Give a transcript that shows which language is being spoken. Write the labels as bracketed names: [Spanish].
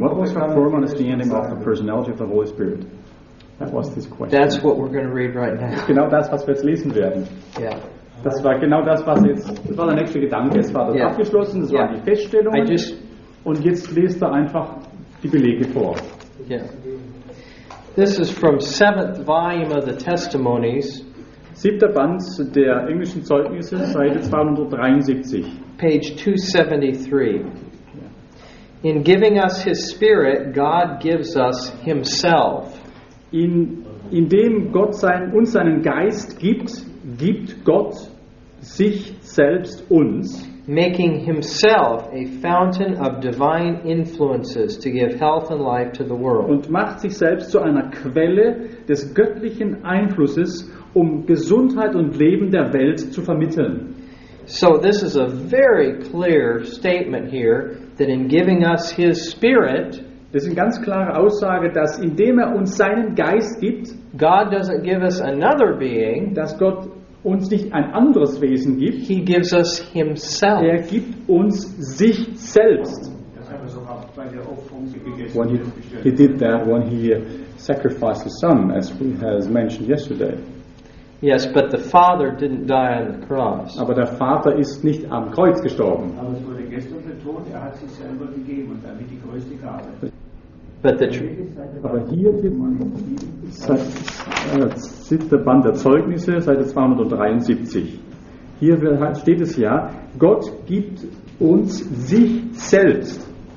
[English] What was her former understanding of the personality of the Holy Spirit? That was this question. That's what we're going to read right now. [German] Genau das, was wir jetzt lesen werden. Ja. Das war genau das, was jetzt, das war der nächste Gedanke, es war das abgeschlossen, das waren die Feststellungen, und jetzt lest er einfach die Belege vor. [English] Yeah. This is from 7th volume of the Testimonies, [German] Siebter Band der englischen Zeugnisse, Seite 273. [English] Page 273. In giving us his spirit, God gives us himself. [German] Indem Gott uns seinen Geist gibt, gibt Gott sich selbst uns. [English] Making himself a fountain of divine influences to give health and life to the world. [German] Und macht sich selbst zu einer Quelle des göttlichen Einflusses, um Gesundheit und Leben der Welt zu vermitteln. [English] So this is a very clear statement here that in giving us his spirit, [German] das ist eine ganz klare Aussage, dass indem uns seinen Geist gibt, [English] God doesn't give us another being, [German] dass Gott uns nicht ein anderes Wesen gibt. [English] He gives us himself. [German] Er gibt uns sich selbst. [English] When he did that, when he sacrificed his son, as we has mentioned yesterday. Yes, but the Father didn't die on the cross. [German] Aber der Vater ist nicht am Kreuz gestorben. Aber es wurde gestern betont, er hat sich selber gegeben und damit die größte Gabe. Aber hier wird man siebter Band der Zeugnisse, Seite 273. Hier steht es ja, Gott gibt uns sich selbst.